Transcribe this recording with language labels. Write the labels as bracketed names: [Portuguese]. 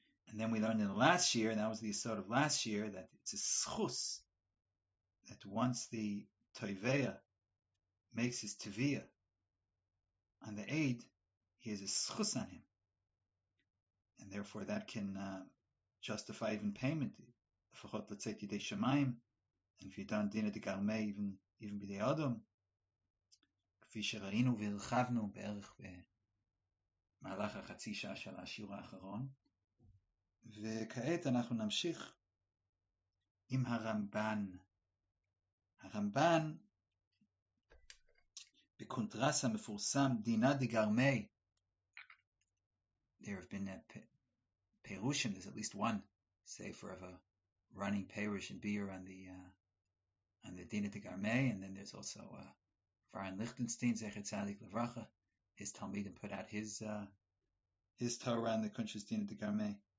[English] And then we learned in the last year, and that was the Yisod of last year, that it's a S'chus, that once the Toiveya makes his Tviyah on the aid, he has a S'chus on him. And therefore, that can justify even payment. [Hebrew] Lefachot Letzet Yidei Shemayim, [English] and if you've done Dinei Degalmei, even [Hebrew] בידי אדום, כפי שראינו והרחבנו בערך במהלך החצי שעה של השיעור האחרון. וכעת אנחנו נמשיך עם הרמב"ן. הרמב"ן, בקונטרס המפורסם, דינא דגרמי, [English] there have been perushim, there's at least one sefer of a running perush and beer on the Dina de Garmei, and then there's also Varan Lichtenstein, Zecher Tzadik Levracha, his Talmid, and put out his Torah on the Kuntres Dina de Garmei.